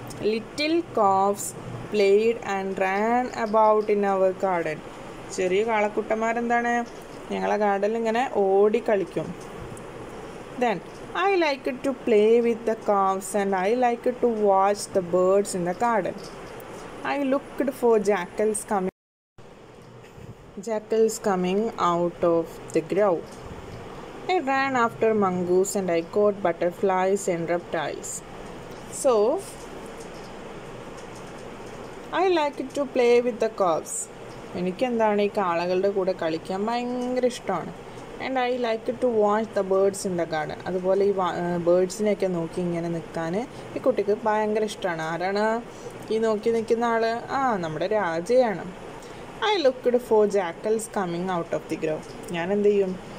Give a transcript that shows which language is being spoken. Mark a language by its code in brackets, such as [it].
[en] Little calves played and ran about in our garden. [ml] ചെറിയ കാളക്കുട്ടന്മാരെന്താണ്, ഞങ്ങളെ ഗാർഡനിൽ ഇങ്ങനെ ഓടി കളിക്കും. [en] Then I like to play with the calves and I like to watch the birds in the garden. I looked for jackals coming. Jackals coming out of the grove. I ran after mongoose and I caught butterflies and reptiles. So, I like to play with the cubs. [ml] എനിക്ക് എന്താണ് ഈ കാളകളുടെ കൂടെ കളിക്കാൻ ഭയങ്കര ഇഷ്ടമാണ്. [en] And I like to watch the birds in the garden. [ml] അതുപോലെ ഈ ബേർഡ്സിനെയൊക്കെ നോക്കി ഇങ്ങനെ നിൽക്കാൻ ഈ കുട്ടിക്ക് ഭയങ്കര ഇഷ്ടമാണ്. ആരാണ് ഈ നോക്കി നിൽക്കുന്ന ആൾ, ആ നമ്മുടെ രാജയാണ്. [en] I looked for jackals coming out of the grove. [ml] ഞാൻ എന്ത് ചെയ്യും,